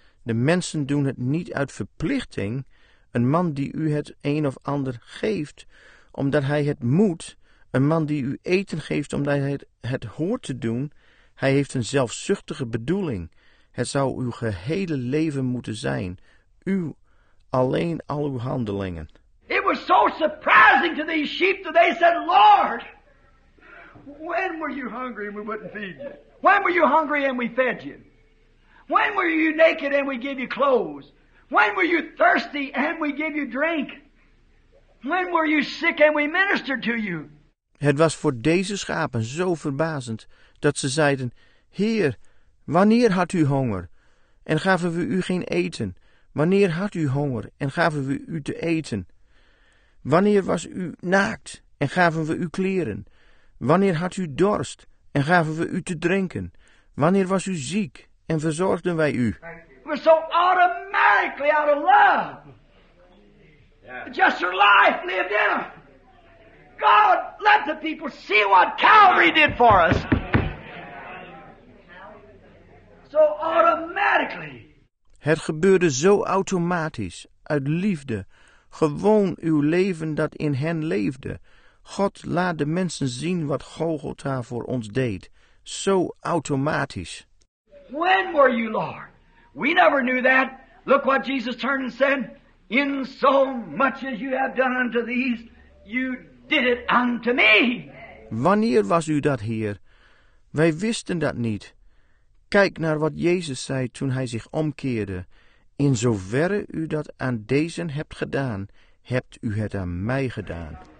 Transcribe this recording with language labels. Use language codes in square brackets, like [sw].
[nl] De mensen doen het niet uit verplichting. Een man die u het een of ander geeft, omdat hij het moet. Een man die u eten geeft, omdat hij het hoort te doen. Hij heeft een zelfzuchtige bedoeling. Het zou uw gehele leven moeten zijn. U, alleen al uw handelingen. [en] It was so surprising to these sheep that they said, Lord, when were you hungry and we wouldn't feed you? When were you hungry and we fed you? When were you naked and we gave you clothes? When were you thirsty and we gave you drink? When were you sick and we ministered to you? [nl] Het was voor deze schapen zo verbazend dat ze zeiden, Heer, wanneer had u honger? En gaven we u geen eten? Wanneer had u honger en gaven we u te eten? Wanneer was u naakt en gaven we u kleren? Wanneer had u dorst en gaven we u te drinken? Wanneer was u ziek en verzorgden wij u? [en] We were so automatically out of love. Yeah. Just her life lived in her. God, let the people see what Calvary did for us. So automatically. [nl] Het gebeurde zo automatisch, uit liefde. Gewoon uw leven dat in hen leefde. God laat de mensen zien wat Golgotha voor ons deed. Zo automatisch. [en] When were you, Lord? We never knew that. Look what Jesus turned and said. In so much as you have done unto these, you did it unto me. [nl] Wanneer was u dat, Heer? Wij wisten dat niet. Kijk naar wat Jezus zei toen hij zich omkeerde. In zoverre u dat aan deze hebt gedaan, hebt u het aan mij gedaan.